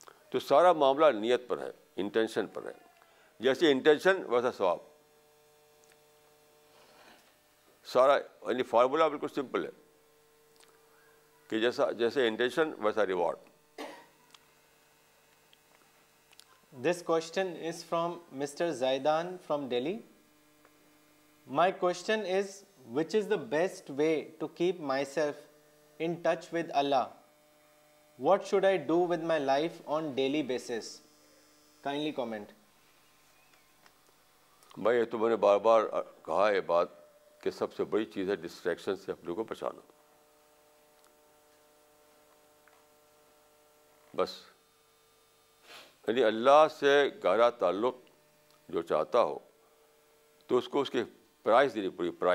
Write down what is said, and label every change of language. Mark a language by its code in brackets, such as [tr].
[ur] تو سارا معاملہ نیت پر ہے, انٹینشن پر ہے. جیسے انٹینشن ویسا ثواب. سارا یعنی فارمولا بالکل سمپل ہے کہ جیسے انٹینشن ویسا reward. [en] This question is from Mr. Zaidan from Delhi. My question is, which is the best way to keep myself in touch with Allah? What should I do with my life on daily basis? Kindly comment. [ur] بھائی یہ تو میں نے بار بار کہا یہ بات کہ سب سے بڑی چیز ہے ڈسٹریکشن سے اپنے کو بچانا. بس یعنی اللہ سے گہرا تعلق جو چاہتا ہو تو اس کو اس کی پرائز دینی پڑی.